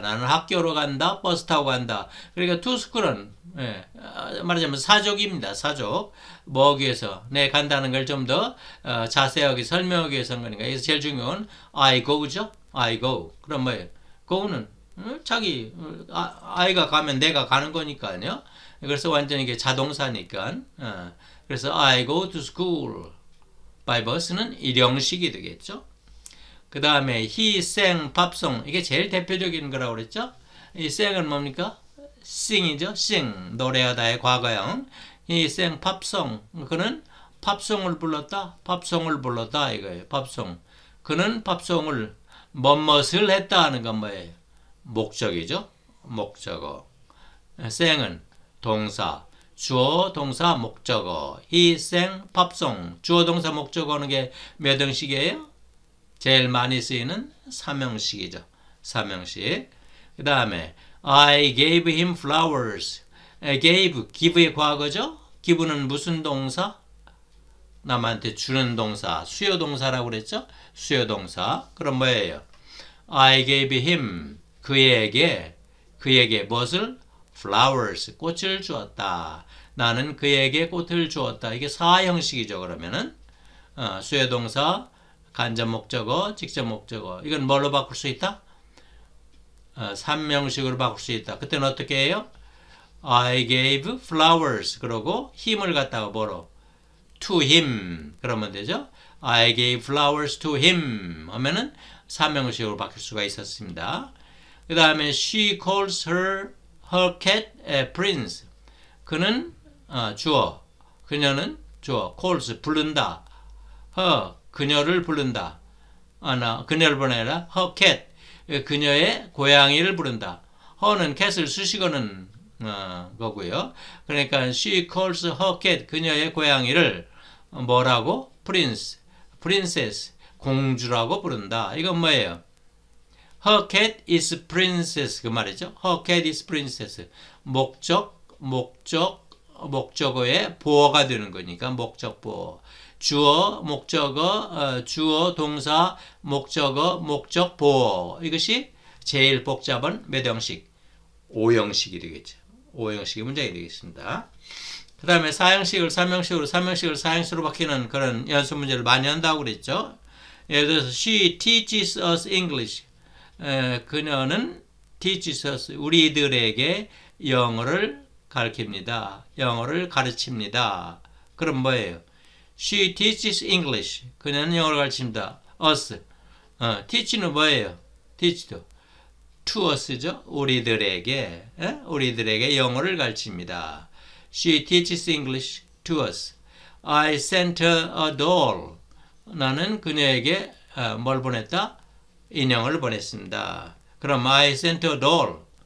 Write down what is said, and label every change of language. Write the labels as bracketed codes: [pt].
[ko] 나는 학교로 간다. 버스 타고 간다. 그러니까 [en] to school [ko] 은 말하자면 사족입니다. 사족. 뭐하기 위해서? 내 간다는 걸좀더 자세하게 설명하기 위해서 한 거니까. 여기서 제일 중요한 건 [en] I go [ko] 죠. [en] I go. [ko] 그럼 뭐예요? go는 자기 아이가 가면 내가 가는 거니까요. 그래서 완전히 이게 자동사니까. 그래서 [en] I go to school by bus [ko] 는 일형식이 되겠죠. 그 다음에 [en] he sang pop song [ko] 이게 제일 대표적인 거라고 그랬죠? 이 sang은 뭡니까? sing이죠? sing 노래하다의 과거형 [en] he sang pop song [ko] 그는 팝송을 불렀다 팝송을 불렀다 이거예요 팝송 그는 팝송을 뭣뭣을 했다 하는 건 뭐예요? 목적이죠? 목적어 sang은 동사 주어 동사 목적어 [en] he sang pop song [ko] 주어 동사 목적어 하는 게몇 형식이에요? 제일 많이 쓰이는 3형식이죠. 3형식. 그 다음에 [en] I gave him flowers. [ko] gave, give의 과거죠. give는 무슨 동사? 남한테 주는 동사. 수여 동사라고 그랬죠? 수여 동사. 그럼 뭐예요? [en] I gave him, [ko] 그에게 무엇을? flowers, 꽃을 주었다. 나는 그에게 꽃을 주었다. 이게 4형식이죠, 그러면은. 수여 동사. 간접 목적어, 직접 목적어. 이건 뭘로 바꿀 수 있다? 3명식으로 바꿀 수 있다. 그때는 어떻게 해요? [en] I gave flowers. [ko] 그러고 him을 갖다가 뭐로? [en] To him. [ko] 그러면 되죠? [en] I gave flowers to him. [ko] 하면은 3명식으로 바뀔 수가 있었습니다. 그 다음에 [en] she calls her cat a prince. [ko] 그는 주어. 그녀는 주어. calls, 부른다. her. 그녀를 부른다. 그녀를 보내라. [en] Her cat. [ko] 그녀의 고양이를 부른다. Her는 cat을 수식어는 거고요. 그러니까 [en] she calls her cat. [ko] 그녀의 고양이를 뭐라고? Prince. Princess. 공주라고 부른다. 이건 뭐예요? [en] Her cat is princess. [ko] 그 말이죠. [en] Her cat is princess. [ko] 목적어의 보어가 되는 거니까 목적 보어. 주어, 목적어, 주어, 동사, 목적어, 목적, 보어. 이것이 제일 복잡한 몇 형식? 5형식이 되겠죠. 5형식의 문장이 되겠습니다. 그 다음에 4형식을 3형식으로, 3형식을 4형식으로 바뀌는 그런 연습 문제를 많이 한다고 그랬죠. 예를 들어서, [en] She teaches us English. [ko] 그녀는 teaches us, 우리들에게 영어를 가르칩니다. 영어를 가르칩니다. 그럼 뭐예요? [en] She teaches English. [ko] 그녀는 영어를 가르칩니다. Us. Teach는 뭐예요? Teach도. To us죠. 우리들에게 영어를 가르칩니다. [en] She teaches English to us. I sent her a doll. [ko] 나는 그녀에게 뭘 보냈다? 인형을 보냈습니다. 그럼 [en] I sent a doll.